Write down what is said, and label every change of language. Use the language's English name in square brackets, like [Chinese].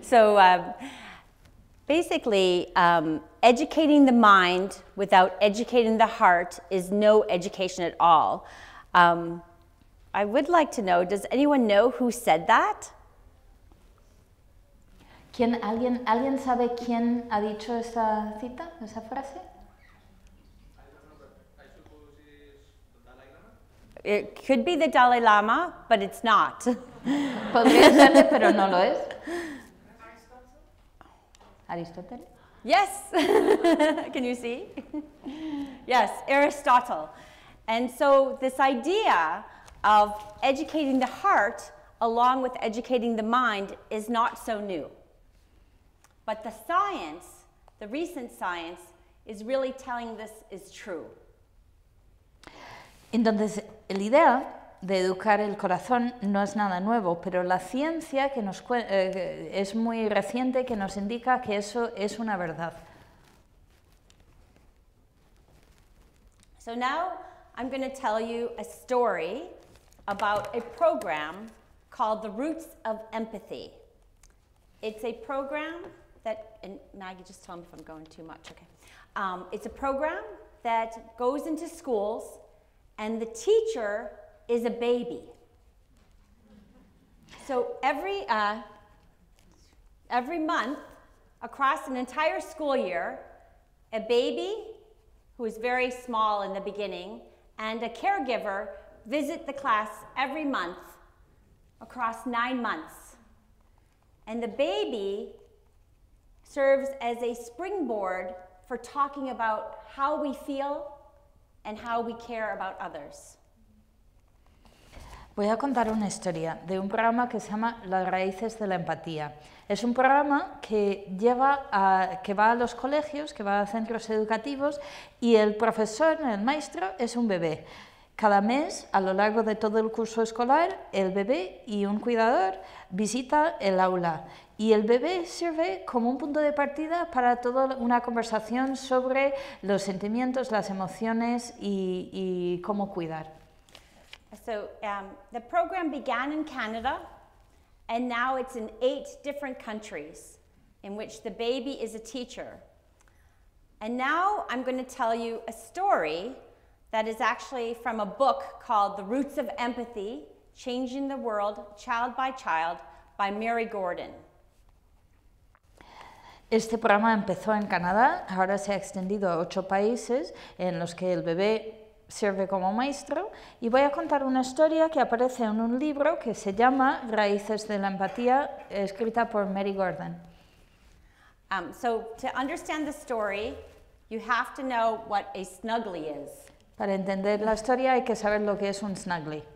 [English] So, basically, educating the mind without educating the heart is no education at all. I would like to know, does anyone know who said that? [Spanish] ¿Quién, alguien sabe quién ha dicho esa cita, esa frase? [English] I don't know, but I suppose it's the Dalai Lama. It could be the Dalai Lama, but it's not. [Spanish] Podría serle, pero no lo es. [English] Aristotle? Yes, can you see? Yes, Aristotle. And so this idea of educating the heart along with educating the mind is not so new. But the science, the recent science, is really telling this is true. [Spanish] Entonces, la idea de educar el corazón no es nada nuevo, pero la ciencia que nos es muy reciente que nos indica que eso es una verdad. [English] So now I'm going to tell you a story about a program called The Roots of Empathy. It's a program that, and Maggie, just tell me if I'm going too much, okay. It's a program that goes into schools and the teacher is a baby. So every month, across an entire school year, a baby, who is very small in the beginning, and a caregiver visit the class every month across 9 months. And the baby serves as a springboard for talking about how we feel and how we care about others. [Spanish] Voy a contar una historia de un programa que se llama Las Raíces de la Empatía. Es un programa que va a los colegios, que va a centros educativos, y el profesor, el maestro, es un bebé. Cada mes, a lo largo de todo el curso escolar, el bebé y un cuidador visita el aula. Y el bebé sirve como un punto de partida para toda una conversación sobre los sentimientos, las emociones y cómo cuidar. [English] So, the program began in Canada, and now it's in 8 different countries in which the baby is a teacher. And now I'm going to tell you a story that is actually from a book called The Roots of Empathy, Changing the World, Child by Child, by Mary Gordon. [Spanish] Este programa empezó en Canadá, ahora se ha extendido a 8 países en los que el bebé sirve como maestro, y voy a contar una historia que aparece en un libro que se llama Raíces de la Empatía, escrita por Mary Gordon. [English] So to understand the story, you have to know what a snuggly is. [Spanish] Para entender la historia hay que saber lo que es un snuggly.